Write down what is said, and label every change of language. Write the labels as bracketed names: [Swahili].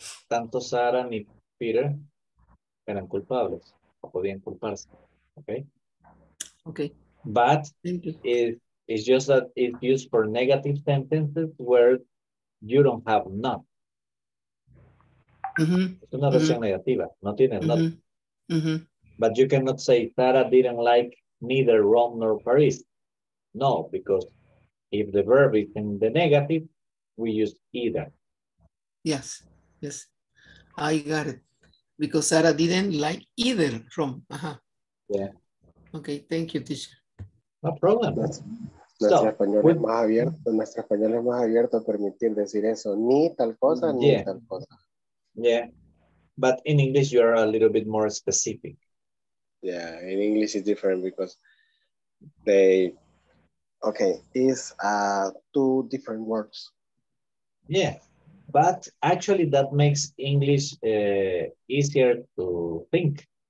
[Spanish] Tanto Sara ni Peter eran culpables o podían culparse, okay? [English] Okay. But it's just that it's used for negative sentences where you don't have not. Mm-hmm. [Spanish] Es una versión negativa, no tiene not. Mm-hmm. [English] But you cannot say Sara didn't like neither Rome nor Paris. No, because if the verb is in the negative, we use either. Yes, yes. I got it. Because Sara didn't like either from. Uh-huh. Yeah. Okay, thank you, teacher. No problem. [Spanish] Nuestro español es más abierto a permitir decir eso. Ni tal cosa, ni tal cosa. [English] Yeah. But in English, you are a little bit more specific. Yeah, in English, it's different because they... Okay, is two different words. Yeah, but actually that makes English easier to think.